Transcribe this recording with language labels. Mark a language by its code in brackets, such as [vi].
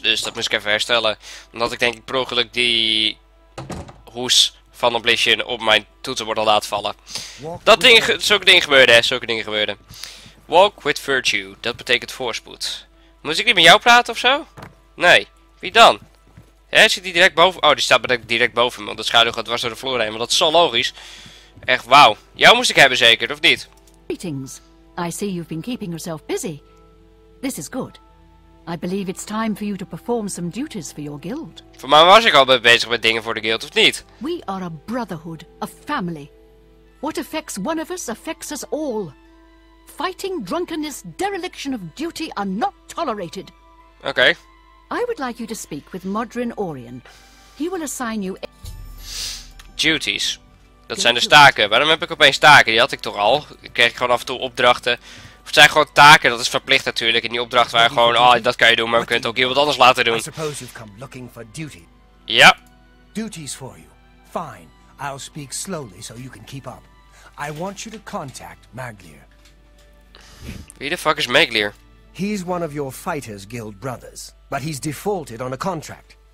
[nl] Dus dat moest ik even herstellen. Omdat ik denk ik per ongeluk die hoes van Oblivion op mijn toetsenbord laat vallen. Dat ding, zulke dingen gebeurden, hè. Zulke dingen gebeurden. [en] Walk with virtue, [nl] dat betekent voorspoed. Moet ik niet met jou praten of zo? Nee, wie dan? Hè, zit die direct boven? Oh, die staat direct boven me, want de schaduw gaat dwars door de vloer heen, maar dat is zo logisch. Echt, wauw. Jou moest ik hebben zeker, of niet? [en] Greetings. I see you've been keeping yourself busy. This is good. I believe it's time for you to perform some duties for your guild. [nl] Voor mij was ik al bezig met dingen voor de guild, of niet? [en] We are a brotherhood, a family. What affects one of us affects us all. Fighting, drunkenness, dereliction of duty are not tolerated. Okay. I would like you to speak with Modrin Orion. He will assign you... [nl] Duties. Dat zijn de staken. Waarom heb ik opeens taken? Die had ik toch al? Ik kreeg gewoon af en toe opdrachten. Of het zijn gewoon taken, dat is verplicht natuurlijk. En die opdrachten waren gewoon, oh, dat kan je doen, maar we kunnen het ook iemand anders laten doen. [en] I suppose you've come looking for duty. [nl] Ja. [en] Duties for you. Fine. I'll speak slowly so you can keep up. I want you to contact Maglier. [nl] Wie de fuck is Maglier? [en] He's one of your fighters guild brothers. But he's defaulted on a contract.